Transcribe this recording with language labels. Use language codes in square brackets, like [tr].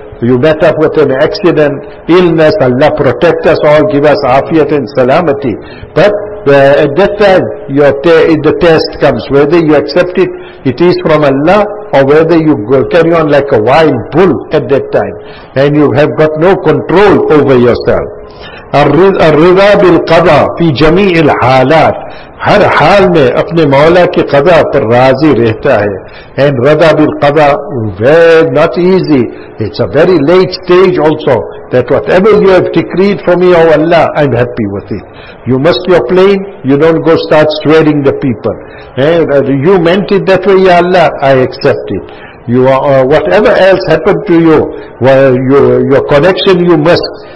[en] You met up with an accident, illness. Allah protect us all. Give us afiyat and salamati. But at that time, the test comes. Whether you accept it, it is from Allah, or whether you carry on like a wild bull at that time, and you have got no control over yourself. [ar] الرضا بالقضاء في جميع الحالات. [ur] ہر حال میں اپنے مولا کی قضاء پر راضی رہتا ہے. [en] And رضا بالقضاء, very not easy. It's a very late stage also, that whatever you have decreed for me, O Allah, I'm happy with it. You must your plane, you don't go start swearing the people. And you meant it that way, Ya Allah, I accept it. You are, whatever else happened to you, well, your connection you missed.